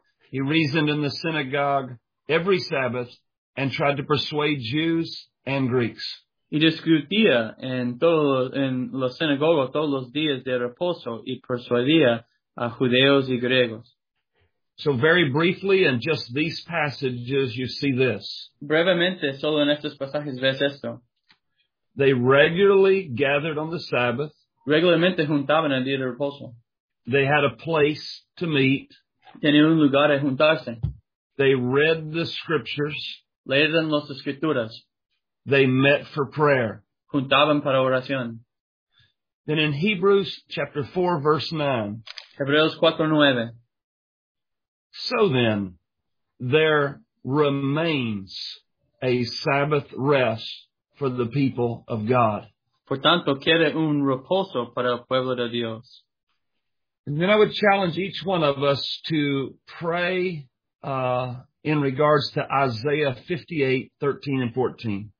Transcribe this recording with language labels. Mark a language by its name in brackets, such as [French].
[English] He reasoned in the synagogue every Sabbath and tried to persuade Jews and Greeks. [Spanish] Y discutía en la sinagoga todos los días de reposo y persuadía a judeos y griegos. [English] So very briefly in just these passages you see this. [Spanish] Brevemente, solo en estos pasajes ves esto. [English] They regularly gathered on the Sabbath. [Spanish] Regularmente juntaban el día de reposo. [English] They had a place to meet. [Spanish] Tenían un lugar a juntarse. [English] They read the Scriptures. [Spanish] Leían las Escrituras. [English] They met for prayer. [Spanish] Juntaban para oración. [English] Then in Hebrews 4:9. [Spanish] Hebreos 4:9. [English] So then, there remains a Sabbath rest for the people of God. [Spanish] Por tanto, queda un reposo para el pueblo de Dios. [English] And then I would challenge each one of us to pray in regards to Isaiah 58:13-14.